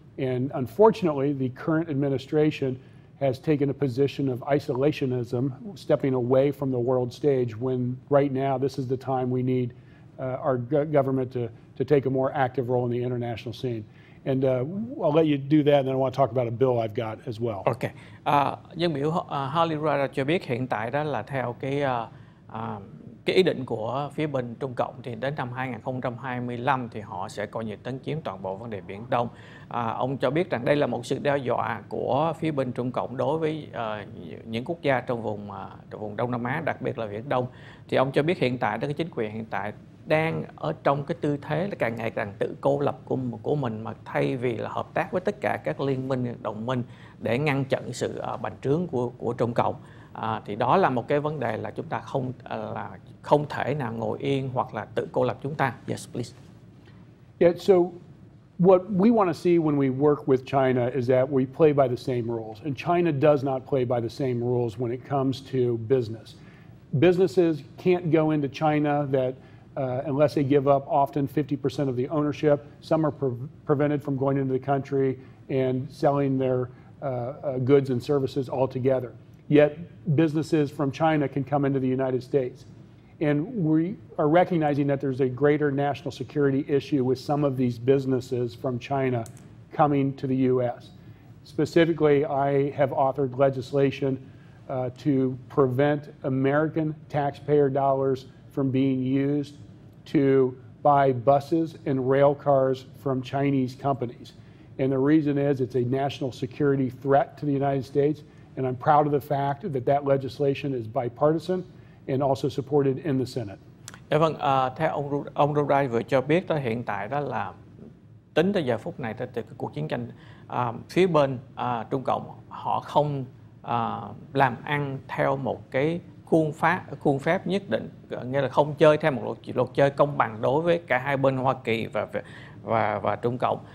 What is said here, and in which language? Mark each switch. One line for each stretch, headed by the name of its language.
English: And unfortunately, the current administration has taken a position of isolationism, stepping away from the world stage, when right now this is the time we need our government to take a more active role in the international scene. And I'll let you do that, and then I want to talk about a bill I've got as well. Okay.
Vietnamese: Dân biểu Holly Rada cho biết hiện tại đó là theo cái ý định của phía bên Trung Cộng thì đến năm 2025 thì họ sẽ coi như tấn chiếm toàn bộ vấn đề Biển Đông. Ông cho biết rằng đây là một sự đe dọa của phía bên Trung Cộng đối với những quốc gia trong vùng Đông Nam Á, đặc biệt là Biển Đông. Thì ông cho biết hiện tại đó, cái chính quyền hiện tại đang ở trong cái tư thế là càng ngày càng tự cô lập của mình, mà thay vì là hợp tác với tất cả các liên minh đồng minh để ngăn chặn sự bành trướng của Trung Cộng. Thì đó là một cái vấn đề là chúng ta không là không thể nào ngồi yên hoặc là tự cô lập chúng ta.
English: Yes, please. Yeah, so what we want to see when we work with China is that we play by the same rules, and China does not play by the same rules when it comes to business. Businesses can't go into China that unless they give up often 50% of the ownership. Some are prevented from going into the country and selling their goods and services altogether. Yet businesses from China can come into the United States. And we are recognizing that there's a greater national security issue with some of these businesses from China coming to the U.S. Specifically, I have authored legislation to prevent American taxpayer dollars from being used to buy buses and rail cars from Chinese companies. And the reason is it's a national security threat to the United States, and I'm proud of the fact that that legislation is bipartisan and also supported in the Senate.
Vietnamese: Dạ vâng, theo ông Roda vừa cho biết đó, hiện tại đó là tính tới giờ phút này từ cái cuộc chiến tranh phía bên Trung Cộng họ không làm ăn theo một cái khuôn phép nhất định, nghĩa là không chơi theo một luật chơi công bằng đối với cả hai bên Hoa Kỳ và Trung Cộng.